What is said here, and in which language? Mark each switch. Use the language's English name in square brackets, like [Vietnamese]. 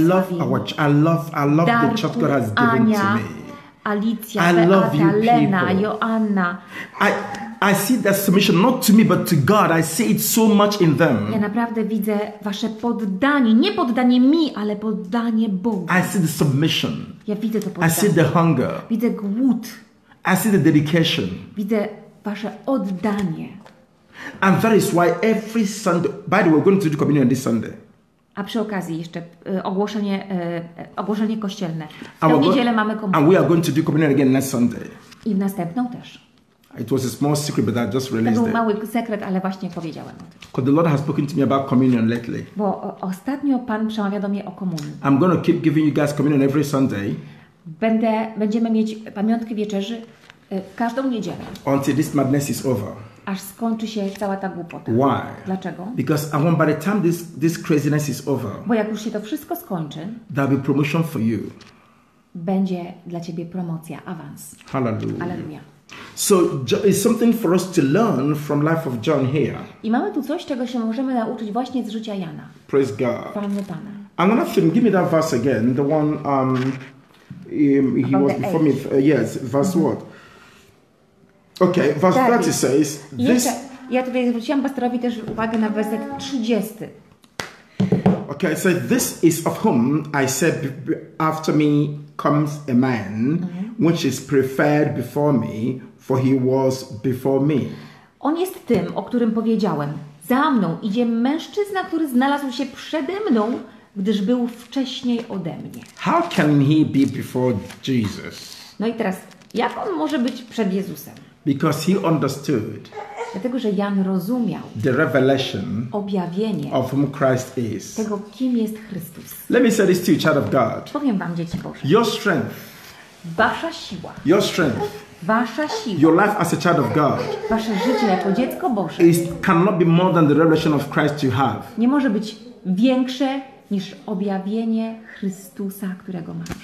[English] I love our church. I love Darku, the church God has given Ania, to me. Alicja, Beata, love you, Lena, people. Joanna. I see that submission not to me but to God. I see it so much in them. [Polish] Ja naprawdę widzę wasze poddanie, nie poddanie mi, ale poddanie Bogu. [English] I see the submission. [Polish] Ja widzę to poddanie. [English] I see the hunger. [Polish] Widzę głód. [English] I see the dedication. [Polish] Widzę wasze oddanie. [English] And that is why every Sunday. By the way, we're going to do communion this Sunday. [Polish] A przy okazji jeszcze ogłoszenie kościelne. W tę niedzielę mamy komunię. [English] And we are going to do communion again next Sunday. [Polish] I w następną też. [English] It was a small secret, but I just released it. [Polish] To był mały sekret, ale właśnie powiedziałem. [English] Because the Lord has spoken to me about communion lately. [Polish] Bo ostatnio Pan przemawia do mnie o komunii. [English] I'm going to keep giving you guys communion every Sunday. [Polish] Będziemy mieć pamiątki wieczerzy każdą niedzielę. [English] Until this madness is over. [Polish] Aż skończy się cała ta głupota. [English] Why? [Polish] Dlaczego? [English] Because I want by the time this craziness is over. [Polish] Bo jak już się to wszystko skończy. [English] There'll be promotion for you. [Polish] Będzie dla ciebie promocja, awans. [English] Hallelujah. [Polish] Alleluja. [English] So it's something for us to learn from life of John here. [Polish] I mamy tu coś, czego się możemy nauczyć właśnie z życia Jana. [English] Praise God. [Polish] Chwalmy Pana. [English] Another thing, give me that verse again, the one he was before age. Me. Yes, verse mm-hmm. what? Okay, verse 30 says this. [Polish] Ja tutaj zwróciłam pastorowi też uwagę na werset 30. [English] Okay, so this is of whom I said after me comes a man which is preferred before me, for he was before me. [Polish] On jest tym, o którym powiedziałem. Za mną idzie mężczyzna, który znalazł się przede mną, gdyż był wcześniej ode mnie. [English] How can he be before Jesus? [Polish] No i teraz, jak on może być przed Jezusem? [English] Because he understood. [Polish] Dlatego, że Jan rozumiał [English] the revelation [Polish] objawienie [English] of whom Christ is. [Polish] Tego, kim jest Chrystus. [English] Let me say this to you, child of God. [Polish] Powiem wam, dzieci Boże. [English] Your strength. [Polish] Wasza siła. [English] Your strength. [Polish] Wasza siła. [English] Your life as a child of God. [Polish] Wasze życie jako dziecko Boże. [English] It cannot be more than the revelation of Christ you have. [Polish] Nie może być większe niż objawienie Chrystusa, którego masz.